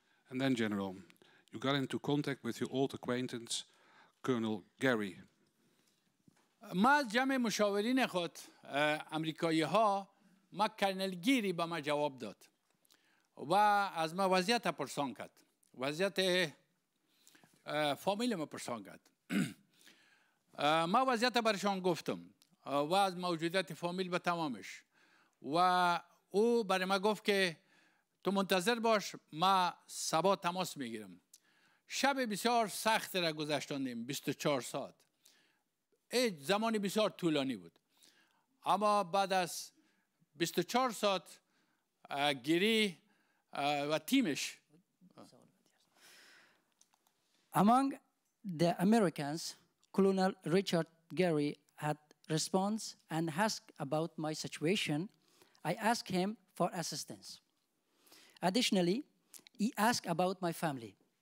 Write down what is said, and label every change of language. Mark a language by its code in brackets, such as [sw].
[en] And then, General, you got into contact with your old acquaintance, Colonel Gary. [fa] ما جمع مشاورین خود امریکایی ها ما کرنل گیری به ما جواب داد و از ما وضعیت پرسان کرد. وضعیت فامیل ما پرسان کرد. ما وضعیت برشان گفتم و از موجودیت فامیل به تمامش و او برای ما گفت که تو منتظر باش ما سبا تماس میگیرم. شب بسیار سخت را گذشتاندیم 24 ساعت. این زمانی بسیار طولانی بود. اما بعد از 24 ساعت گیری و تیمش [en] Among the Americans, Colonel Richard Geary had response and asked about my situation. I asked him for assistance. Additionally, he asked about my family.